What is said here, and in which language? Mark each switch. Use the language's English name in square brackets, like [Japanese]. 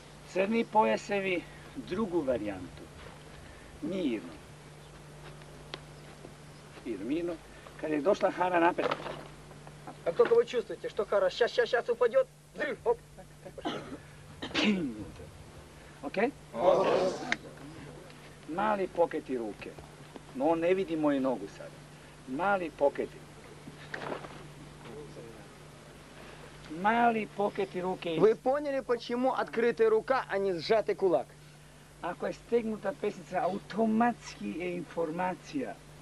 [Serbian] Црни појасеви, другу варијанту. Мирно. Мирно, мирно. Кад је дошла хара напред. А како ви [Russian] чувствуете, што хара сейчас, сейчас, сейчас упадет? Взрыв, оп. [Serbian] Ок? Мали покети руке. Но он не види моју ногу сад. Мали покети. Мали покети руке. [Russian] Вы поняли, почему открытая рука, а не сжатый кулак? [Serbian] Ако е стегнута песница, автоматски е информација.